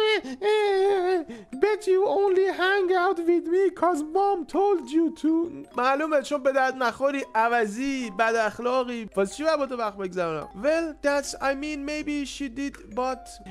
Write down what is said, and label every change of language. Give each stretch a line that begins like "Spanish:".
English: Bet you only hang out with me cause mom told you to.
Persian: معلومه چون به درد نخوری عوضی بد اخلاقی. واسه چی با تو وقت بگذارم؟
English: Well that's I mean maybe she did but